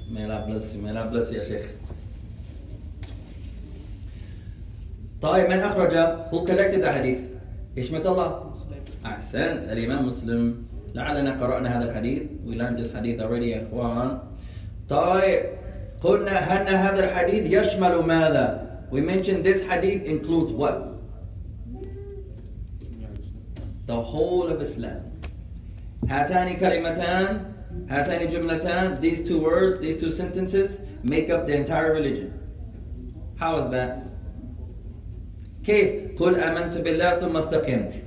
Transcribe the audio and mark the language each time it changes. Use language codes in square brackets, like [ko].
[en] May Allah bless you, ya Sheikh. [ar] Taib, man akhraja? [en] Who collected the hadith? [ar] Ishmat Allah. Ahsan, al-Imam Muslim. لعلنا قرأنا هذا الحديث. [en] We learned this hadith already, يا إخوان. [ar] طيب قلنا أن هذا الحديث يشمل ماذا? [en] We mentioned this hadith includes what? The whole of Islam. [ar] هاتان كلمتان, هاتان جملتان, [en] these two words, these two sentences make up the entire religion. How is that? [ar] كيف? قل آمنت بالله ثم استقم.